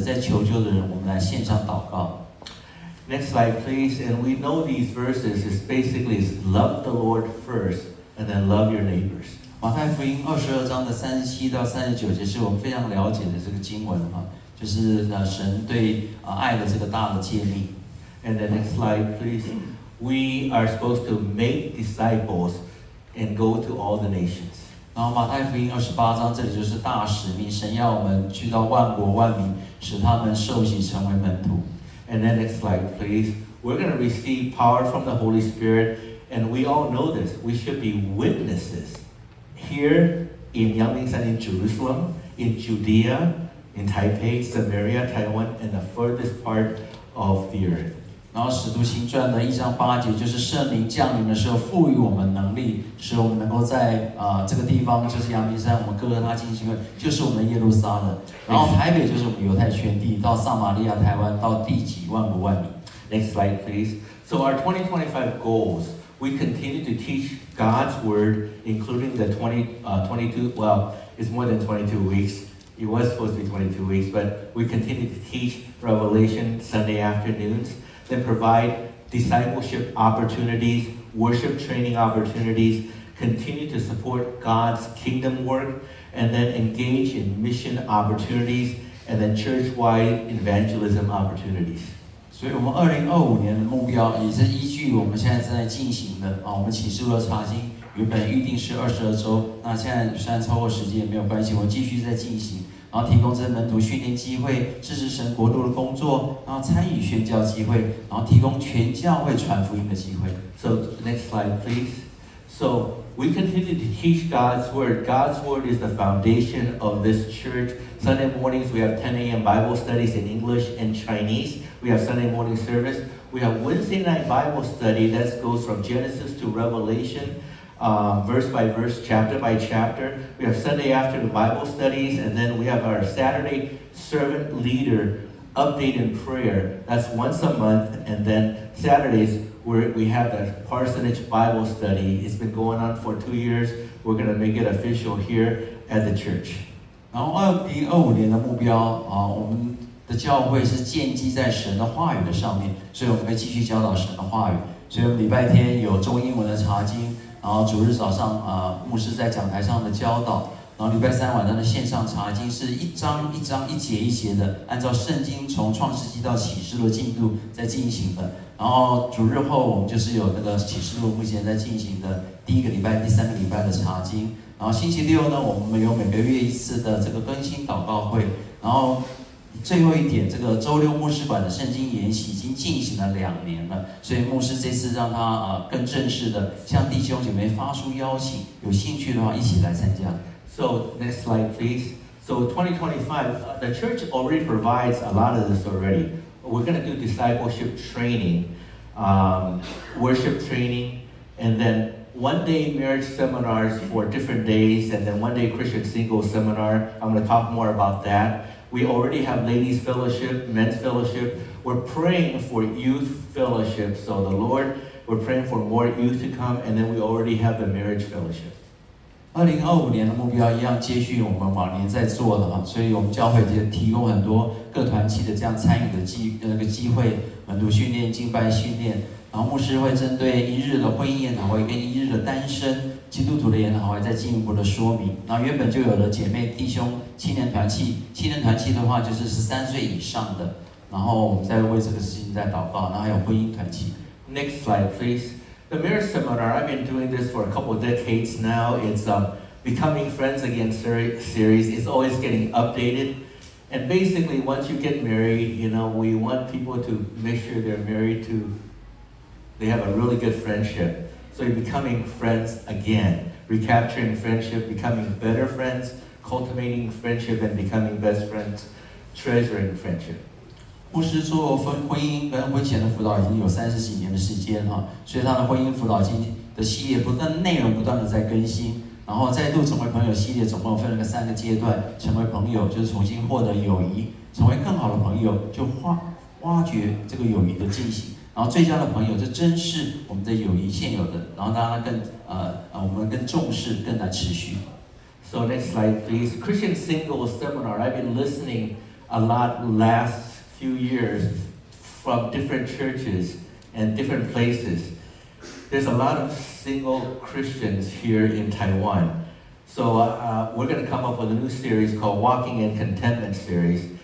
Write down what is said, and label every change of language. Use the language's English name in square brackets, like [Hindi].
[Chinese] 就是聆听周遭的这些呼喊的声音，求救的声音，然后呢，为这些在呼喊者、在求救的人，我们来献上祷告。 [English] Next slide, please. And we know these verses is basically love the Lord first, And then love your neighbors. [Chinese] 马太福音二十二章的三十七到三十九节是我们非常了解的这个经文哈，就是神对爱的这个大的诫命。 [English] And the next slide, please. We are supposed to make disciples and go to all the nations. [Chinese] 然后马太福音二十八章，这里就是大使命，神要我们去到万国万民，使他们受洗成为门徒。 [English] And then next slide, please. We're going to receive power from the Holy Spirit, and we all know this. We should be witnesses here in Yangmingshan, in Jerusalem, in Judea, in Taipei, Samaria, Taiwan, and the furthest part of the earth. [Chinese] 然后《使徒行传》的一章八节，就是圣灵降临的时候，赋予我们能力，使我们能够在这个地方，就是阳明山，我们哥哥他进行了，就是我们耶路撒冷，然后台北就是我们犹太圈地，到撒玛利亚、台湾，到地极万国万民。 [English] Next slide, please. So our 2025 goals, we continue to teach God's word, including the 22. Well, it's more than 22 weeks. It was supposed to be 22 weeks, but we continue to teach Revelation Sunday afternoons. Then provide discipleship opportunities, worship training opportunities, continue to support God's kingdom work, and then engage in mission opportunities, and then church-wide evangelism opportunities. [Chinese] 所以我们2025年的目标也是依据我们现在正在进行的啊，我们启示录的查经原本预定是22周，那现在虽然超过时间也没有关系，我继续在进行。然后提供这门徒训练机会，支持神国度的工作，然后参与宣教机会，然后提供全教会传福音的机会。 [English] So next slide, please. So we continue to teach God's word. God's word is the foundation of this church. Sunday mornings we have 10 a.m. Bible studies in English and Chinese. We have Sunday morning service. We have Wednesday night Bible study that goes from Genesis to Revelation. Verse by verse, chapter by chapter. We have Sunday afternoon Bible studies, and then we have our Saturday servant leader update in prayer. That's once a month, and then Saturdays we have the parsonage Bible study. It's been going on for 2 years. We're going to make it official here at the church. [Chinese] 然后2025年的目标啊，我们的教会是建基在神的话语的上面，所以我们会继续教导神的话语。所以我们礼拜天有中英文的查经。然后主日早上，牧师在讲台上的教导，然后礼拜三晚上的线上查经是一章一章、一节一节的，按照圣经从创世纪到启示录进度在进行的。然后主日后我们就是有那个启示录目前在进行的第一个礼拜、第三个礼拜的查经。然后星期六呢，我们有每个月一次的这个更新祷告会。然后最后一点，这个周六牧师馆的圣经研习已经进行了两年了，所以牧师这次让他更正式的向弟兄姐妹发出邀请，有兴趣的话一起来参加。 [English] So next slide, please. So 2025, the church already provides a lot of this already. We're going to do discipleship training, worship training, and then one day marriage seminars for different days, and then one day Christian single seminar. I'm going to talk more about that. We already have ladies fellowship, men's fellowship. We're praying for youth fellowship. So the Lord, we're praying for more youth to come, and then we already have the marriage fellowship. [Chinese] 2025年的目标一样接续我们往年在做的，所以我们教会就提供很多各团契的这样参与的机会，门徒训练、敬拜训练。然后牧师会针对一日的婚姻研讨会跟一日的单身基督徒的研讨会再进一步的说明。然后原本就有了姐妹弟兄青年团契，青年团契的话就是13岁以上的，然后我们再为这个事情再祷告。然后还有婚姻团契。 [English] Next slide, please. The marriage seminar, I've been doing this for a couple decades now. It's a Becoming Friends Again series. It's always getting updated. And basically, once you get married, you know, we want people to make sure they're married toThey have a really good friendship. So you're becoming friends again. Recapturing friendship, becoming better friends, cultivating friendship and becoming best friends, treasuring friendship. [Chinese] 牧师做婚姻跟婚前的辅导已经有三十几年的时间，所以他的婚姻辅导的系列不断内容不断的在更新，然后再度成为朋友系列总共分了三个阶段，成为朋友就是重新获得友谊，成为更好的朋友就挖掘这个友谊的进行。然后最佳的朋友，这真是我们的友谊现有的，然后大家更我们更重视，更来持续。 [English] So next slide, please. Christian single seminar. I've been listening a lot last few years from different churches and different places. There's a lot of single Christians here in Taiwan. So we're going to come up with a new series called Walking in Contentment Series.